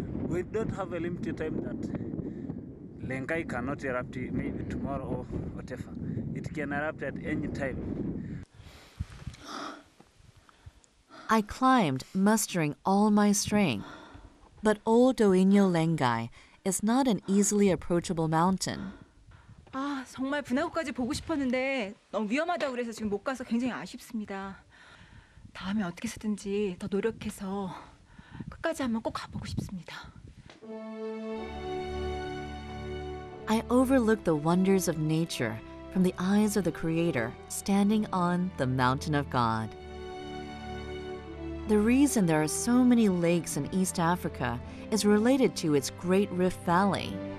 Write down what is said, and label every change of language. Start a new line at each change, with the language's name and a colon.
English: We don't have a limited time that Lenkai cannot erupt, maybe tomorrow or whatever. It can erupt at any time. I climbed, mustering all my strength. But old Doinyo Lengai is not an easily approachable mountain.
Korean: 아, 정말 분화구까지 보고 싶었는데 너무 위험하다고 그래서 지금 못 가서 굉장히 아쉽습니다. 다음에 어떻게 해서든지 더 노력해서 끝까지 한번 꼭 가보고 싶습니다.
English: I overlook the wonders of nature from the eyes of the Creator standing on the mountain of God. The reason there are so many lakes in East Africa is related to its Great Rift Valley.